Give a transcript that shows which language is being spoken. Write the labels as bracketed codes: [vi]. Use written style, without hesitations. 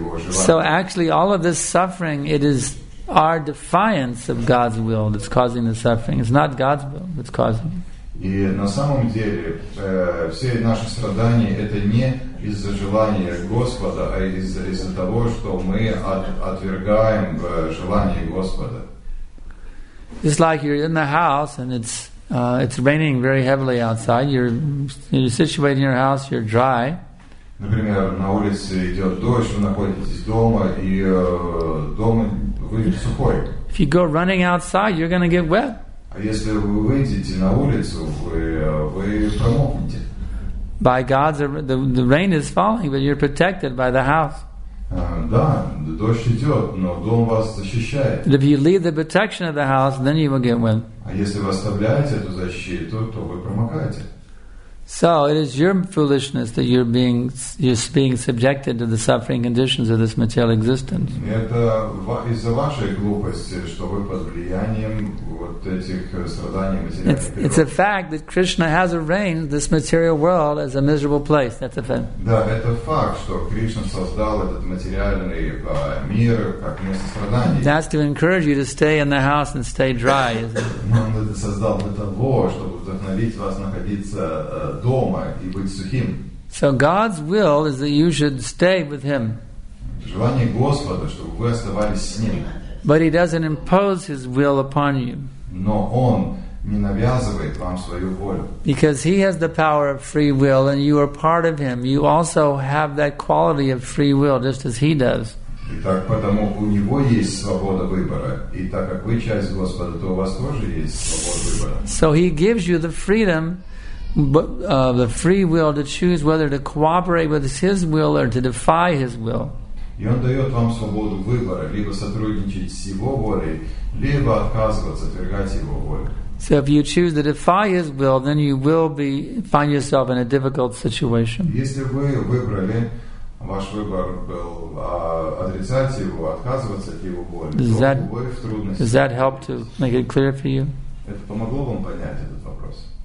[en] So actually all of this suffering, it is our defiance of God's will that's causing the suffering. It's not God's will that's causing it. [ru] И на самом деле все наши страдания это не из-за желания Господа, а из-за того, что мы отвергаем желание Господа. [en] It's like you're in the house and it's It's raining very heavily outside. You're situated in your house, you're dry. [ru] Например, на улице идет дождь, вы находитесь дома, и дома вы сухой. [en] If you go running outside, you're going to get wet. [ru] А если вы выйдете на улицу, вы промокнете. [en] By God's, the rain is falling, but you're protected by the house. [ru] Да, дождь идет, но дом вас защищает. [en] But if you leave the protection of the house, then you will get wet. [ru] А если вы оставляете эту защиту, то вы промокаете. [en] So it is your foolishness that you're being subjected to the suffering conditions of this material existence. [ru] Это из-за вашей глупости, что вы под влиянием вот этих страданий материальной природы. [en] It's a fact that Krishna has arranged this material world as a miserable place. That's a fact. [ru] Да, это факт, что Кришна создал этот материальный мир как место страданий. [en] That's to encourage you to stay in the house and stay dry, isn't it? [ru] Он это создал для того, чтобы вдохновить вас находиться дома и быть сухим. [en] So God's will is that you should stay with Him. [ru] Желание Господа, чтобы вы оставались с Ним. [en] But He doesn't impose His will upon you. [ru] Но Он не навязывает вам свою волю. [en] Because He has the power of free will, and you are part of Him. You also have that quality of free will, just as He does. [ru] Итак, потому у него есть свобода выбора, и так как вы часть Господа, то у вас тоже есть свобода выбора. [en] So He gives you the freedom. But the free will to choose whether to cooperate with His will or to defy His will. [ru] И он дает вам свободу выбора, либо сотрудничать с Его волей, либо отказываться, отвергать Его волю. [en] So if you choose to defy His will, then you will be find yourself in a difficult situation. [ru] Если вы выбрали, ваш выбор был отрицать Его, отказываться от Его воли, то вы в трудности. [en] Does that help to make it clear for you? [ru] Это помогло вам понять этот вопрос?